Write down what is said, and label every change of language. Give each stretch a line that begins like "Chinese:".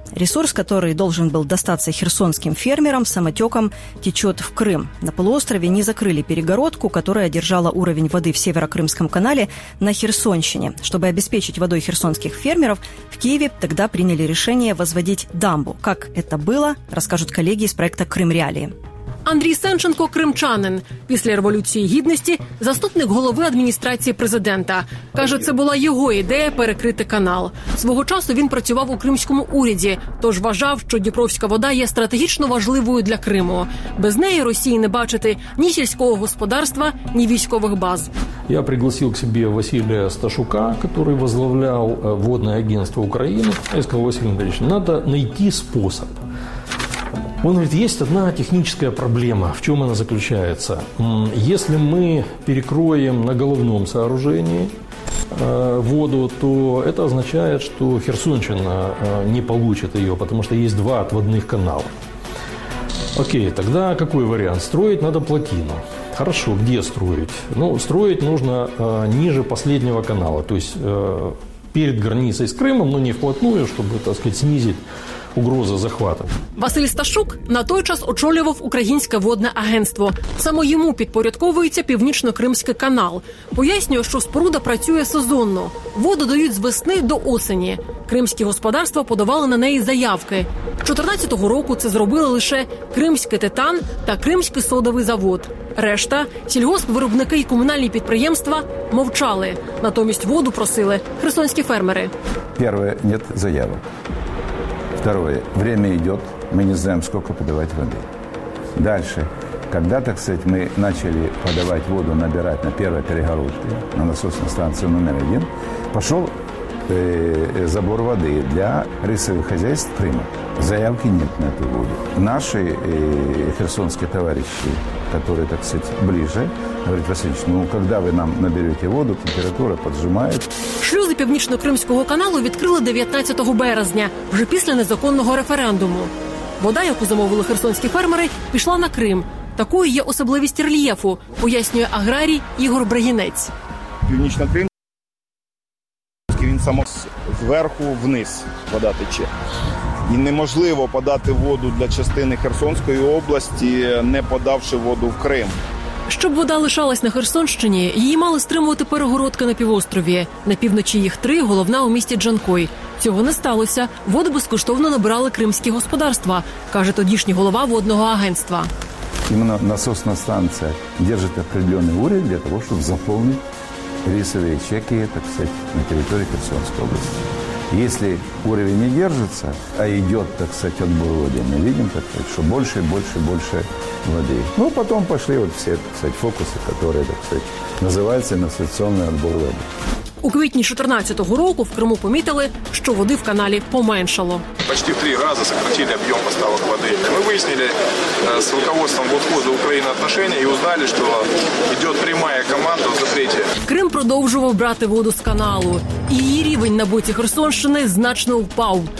Russian: Ресурс, который должен был достаться херсонским фермерам, самотеком течет в Крым. На полуострове не закрыли перегородку, которая держала уровень воды в Северо-Крымском канале на Херсонщине. Чтобы обеспечить водой херсонских фермеров, в Киеве тогда приняли решение возводить дамбу. Как это было, расскажут коллеги из проекта «Крым Реалии».
Ukrainian: Андрій Сенченко – кримчанин. Після Революції Гідності – заступник голови адміністрації президента. Каже, це була його ідея перекрити канал. Свого часу він працював у кримському уряді, тож вважав, що Дніпровська вода є стратегічно важливою для Криму. Без неї Росії не бачити ні сільського господарства, ні військових баз.
Russian: Я пригласив к себе Василия Сташука, который возглавлял водное агентство України.
Ukrainian: Я сказав, Василий Андрійович, треба знайти спосіб.
Russian: Он говорит, есть одна техническая проблема. В чем она заключается? Если мы перекроем на головном сооружении воду, то это означает, что Херсонщина не получит ее, потому что есть два отводных канала. Окей, тогда какой вариант? Строить надо плотину. Хорошо, где строить? Ну, строить нужно ниже последнего канала, то есть перед границей с Крымом, но не вплотную, чтобы, так сказать, снизить угроза захвату.
Ukrainian: Василь Сташук на той час очолював Українське водне агентство. Саме йому підпорядковується Північно-Кримський канал. Пояснює, що споруда працює сезонно. Воду дають з весни до осені. кримські господарства подавали на неї заявки. 14-го року це зробили лише кримський «Титан» та кримський содовий завод. Решта – сільгоспвиробники і комунальні підприємства – мовчали. Натомість воду просили херсонські фермери.
Russian: Перше – нет заявок. Второе – время идет, мы не знаем, сколько подавать воды. Дальше – когда, так сказать, мы начали подавать воду, набирать на первой перегородке, на насосной станции номер один, пошел забор воды для рисовых хозяйств Крыма. Заявки нет на эту воду. Наши херсонские товарищи, которые, так сказать, ближе, говорят: Васильевич, ну когда вы нам наберете воду, температура поджимает.
Ukrainian: Шлюзи Північно-Кримського каналу відкрили 19 березня, вже після незаконного референдуму. Вода, яку замовили херсонські фермери, пішла на Крим. Такою є особливість рельєфу, пояснює аграрій Ігор Брагінець. Північно-Кримський, він само зверху вниз вода тече. І неможливо подати воду для частини Херсонської області, не подавши воду в Крим. Щоб вода лишалась на Херсонщині, її мали стримувати перегородки на півострові. На півночі їх три, головна у місті Джанкой. Цього не сталося. Воду безкоштовно набирали кримські господарства, каже тодішній голова водного агентства.
Russian: Именно насосная станция держит определенный уровень для того, чтобы заполнить рисовые чеки, так сказать, на территории Херсонской области. Если уровень не держится, а идет, так сказать, отбор воды, мы видим, так сказать, что больше и больше и больше воды. Ну, потом пошли вот все, так сказать, фокусы, которые, так сказать, называются насосационный отбор воды.
Ukrainian: У квітні 14-го року в Криму помітили, що води в каналі поменшало. Почти в три рази сократили об'єм поставок води. Ми визнали з руководством водхозу України отношення і узнали, що йде пряма команда в закриті. Крим продовжував брати воду з каналу. І її рівень на боці Херсонщини значно впав.